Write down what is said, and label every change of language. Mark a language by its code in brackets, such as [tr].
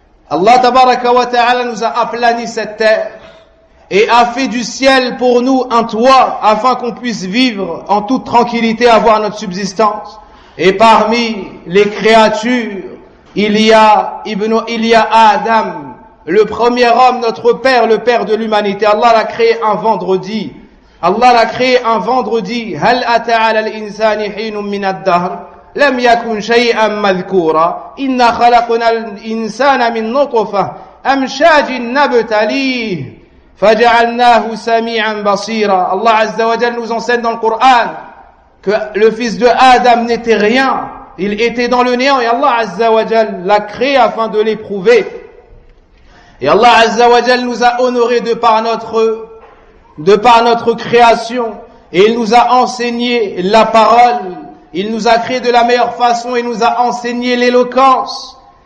[fr] Allah tabaraka wa ta'ala nous a aplani cette terre et a fait du ciel pour nous un toit afin qu'on puisse vivre en toute tranquillité, avoir notre subsistance. Et parmi les créatures, il y a Adam, le premier homme, notre père, le père de l'humanité. Allah l'a créé un vendredi. Allah l'a créé un vendredi. [ar] هل أتى على الإنسان حين من الدهر لم يكن شيئا مذكورا إن خلقنا الإنسان من نطفة أمشاج نبتليه فجعلناه سميعا بصيرا. [fr] Allah Azza wa Jalla nous enseigne dans le Coran que le fils de Adam n'était rien, il était dans le néant et Allah Azza wa Jalla l'a créé afin de l'éprouver. Et Allah Azza wa Jalla nous a honoré de par notre création, et il nous a enseigné la parole, il nous a créé de la meilleure façon, il nous a enseigné l'éloquence.